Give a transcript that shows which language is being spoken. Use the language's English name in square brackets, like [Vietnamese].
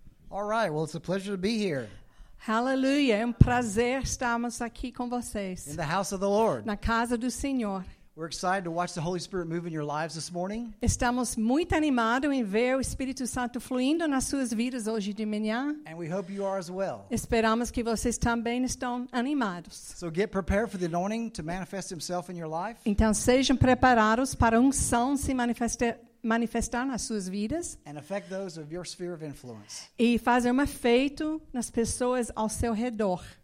[English] All right. Well, it's a pleasure to be here. [Portuguese] Hallelujah. É prazer estarmos aqui com vocês. [English] In the house of the Lord. [Portuguese] Na casa do Senhor. [English] We're excited to watch the Holy Spirit move in your lives this morning. [Portuguese] Estamos muito animados em ver o Espírito Santo fluindo nas suas vidas hoje de manhã. [English] And we hope you are as well. [Portuguese] Esperamos que vocês também estão animados. [English] So get prepared for the anointing to manifest himself in your life. [Portuguese] Então sejam preparados para a unção se manifestar nas suas vidas. [English] And affect those of your sphere of influence. [Portuguese] E fazer um efeito nas pessoas ao seu redor.